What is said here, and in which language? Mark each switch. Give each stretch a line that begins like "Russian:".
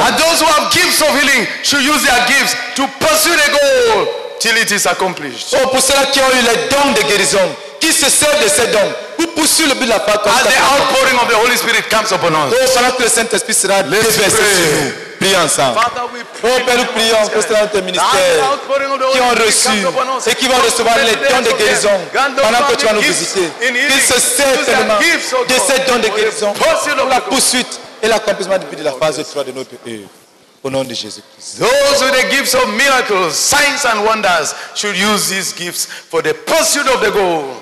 English: And those who have gifts of healing should use their gifts to pursue the goal till it is accomplished.
French: Oh, pour ceux qui ont eu les dons de guérison, qui se servent de ces dons, pour poursuivre le but de la part.
English: As the outpouring of the Holy Spirit comes upon us.
French: Oh, pendant que le Saint-Esprit sera déversé sur vous. Prions ensemble.
English: Father,
French: oh, Père, nous prions pour ceux dans tes ministères qui ont reçu et qui vont recevoir les dons de guérison pendant que tu vas nous visiter. Qu'ils se servent tellement de ces dons de guérison pour la poursuite et l'accomplissement depuis la phase 3 de notre œuvre. Au nom de Jésus-Christ.
English: Those with the gifts of miracles, signs and wonders should use these gifts for the pursuit of the goal.